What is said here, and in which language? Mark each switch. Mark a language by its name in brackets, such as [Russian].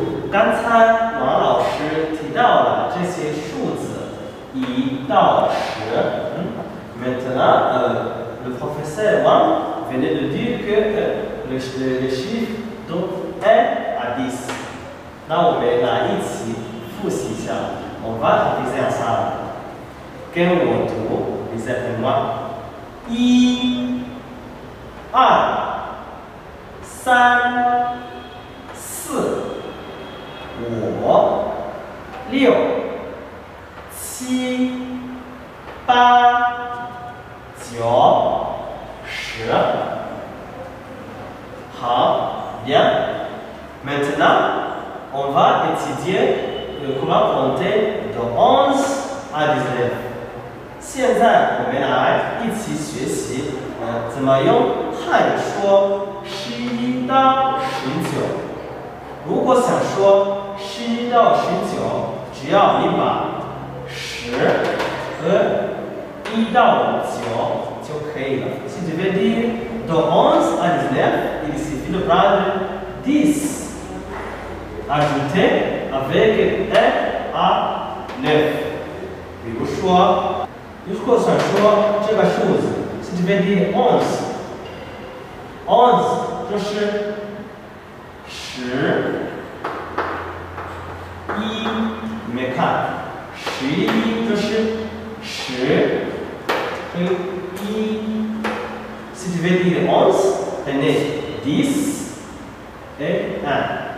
[Chinese] 刚才王老师提到了这些数字一到十。 [French] Maintenant, le professeur Wang venait de dire que le chiffre donc 1 à 10. [Chinese] 那我们来一起复习一下。 [French] On va réviser ensemble. [Chinese] 跟我读 ， [French] les amis. [Chinese] 一、二、三、四。五、六、七、八、九、十。好 ，bien. [French] Maintenant, on va étudier le comment compter de 11 à 19. [Chinese] 现在我们来一起学习，怎么用汉语说十一到十九。如果想说十一到十九，只要你把十和一到九就可以了。 [French] Si tu veux dire de onze à dix-neuf, il suffit de prendre dix, ajouter avec un à neuf. [Chinese] 比如说，如果想说这个数字 ， [French] si tu veux dire onze [Chinese] 就是十。一，你们看，十一就是十和一。 [French] Si tu veux dire onze, prenez dix et un.